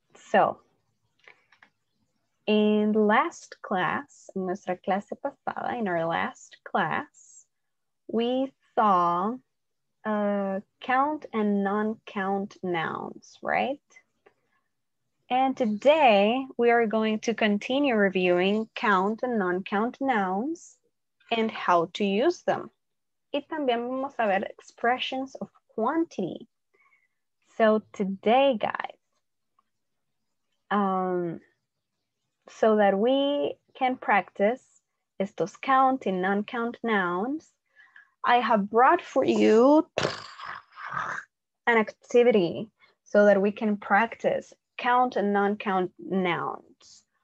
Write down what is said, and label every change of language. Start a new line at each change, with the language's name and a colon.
English: So, in last class, in
Spanish: nuestra clase pasada,
English: in our last class, we saw count and non-count nouns, right? And today we are going to continue reviewing count and non-count nouns and how to use them.
Spanish: Y también vamos a ver
English: expressions of quantity. So today, guys, so that we can practice
Spanish: estos
English: count and non-count nouns, I have brought for you an activity so that we can practice count and non-count nouns.